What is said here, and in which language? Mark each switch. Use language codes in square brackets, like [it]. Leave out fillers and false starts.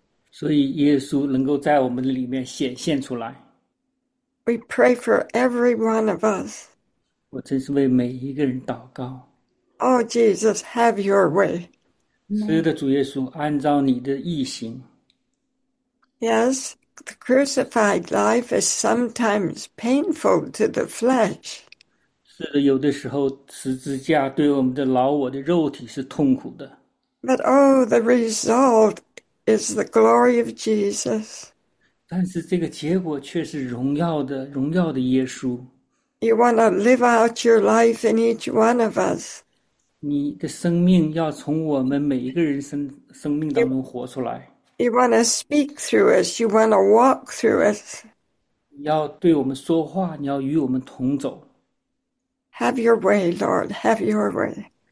[zh] 所以耶稣能够在我们里面显现出来。 [en] We pray for every one of us. [zh] 我真是为每一个人祷告。 [en] Oh, Jesus, have your way. [zh] 是的，主耶稣，按照你的意行。 [en] Yes, the crucified life is sometimes painful to the flesh. [zh] 是的，有的时候十字架对我们的老我的肉体是痛苦的。 [en] But oh, the result is the glory of Jesus. [zh] 但是这个结果却是荣耀的耶稣。 [en] You want to live out your life in each one of us. [zh] 你的生命要从我们每一个人生命当中活出来。 [en] You want to speak through us. You want to walk through us. [zh] 你要对我们说话，你要与我们同走。 [en] Have your way, Lord. Have your way.